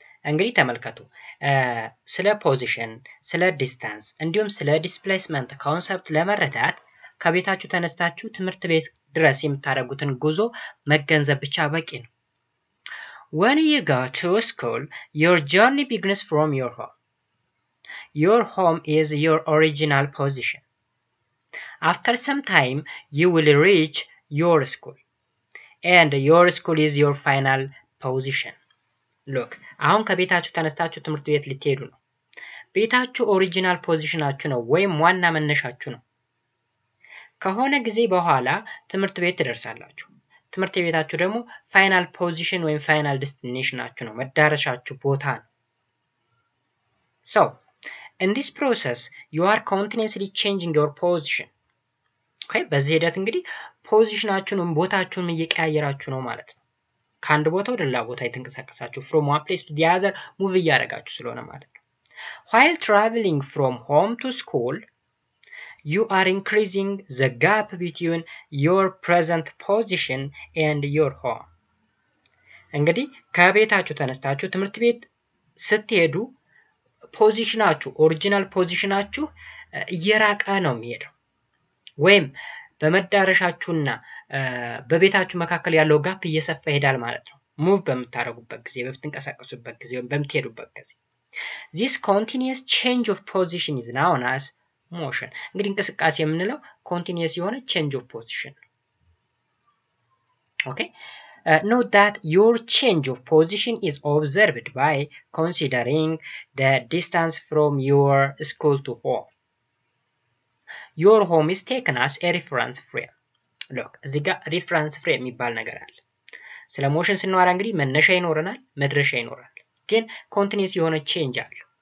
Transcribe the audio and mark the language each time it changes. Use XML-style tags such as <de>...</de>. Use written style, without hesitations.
<am>እንግዲህ ተመልከቱ፣ ስለ ፖዚሽን፣ ስለ ዲስታንስ እንዲሁም ስለ ዲስፕሌስመንት ኮንሰፕት ለመረዳት ከቤታችሁ ተነስታችሁ ትምህርት ቤት ድረስ የምታደርጉትን ጉዞ መገንዘብ ብቻ በቂ ነው።</am> <en>When you go to school, your journey begins from your home. Your home is your original position. After some time, you will reach your school. And your school is your final position.</en> <am>Look, አሁን ከቤታችሁ ተነስታችሁ ትምህርት ቤት ልትሄዱ ነው። ቤታችሁ ኦሪጂናል ፖዚሽናችሁ ነው ወይም ዋና መነሻችሁ ነው። ከሆነ ጊዜ በኋላ ትምህርት ቤት ትደርሳላችሁ። ትምርት ቤታችሁ ደግሞ ፋይናል ፖዚሽን ወይም ፋይናል ዲስቲኔሽናችሁ ነው መዳረሻችሁ ቦታ ነው</am> <en>so in this process you are continuously changing your position okay</en> <am>በዚህ ሂደት እንግዲህ ፖዚሽናችሁንም ቦታችሁንም እየቀያየራችሁ ነው ማለት ነው ካንድ ቦታ ወደ ሌላ ቦታ እየተንቀሳቀሳችሁ</am> <en>from one place to the other move</en> <am>እያደረጋችሁ ስለሆነ ማለት ነው</am> <en>while traveling from home to school You are increasing the gap between your present position and your home.</en> <am>እንግዲህ ከቤታችሁ ተነስተታችሁ ትምርት ቤት ስትሄዱ ፖዚሽናችሁ ኦሪጅናል ፖዚሽናችሁ እየራቀ ነው የሚሄደው. ወይም በመዳረሻችሁና በቤታችሁ መካከለ ያለው gap እየሰፋ ይሄዳል ማለት ነው. ሙቭ በመታረጉበት ጊዜ በመተንቀሳቀሱበት ጊዜ ወይም በመትሄዱበት ጊዜ.</am> <en>This continuous change of position is known as motion</en> <am>እንግዲህ እንቅስቃሴ የምንለው</am> <en>continuous የሆነ change of position okay note that your change of position is observed by considering the distance from your school to home your home is taken as a reference frame look</en> <am>እዚህ ጋር reference frame የሚባል ነገር አለ ስለ motion ስናወራ እንግዲህ መነሻ ይኖረናል መድረሻ ይኖራል ግን continuous የሆነ change አለ</am>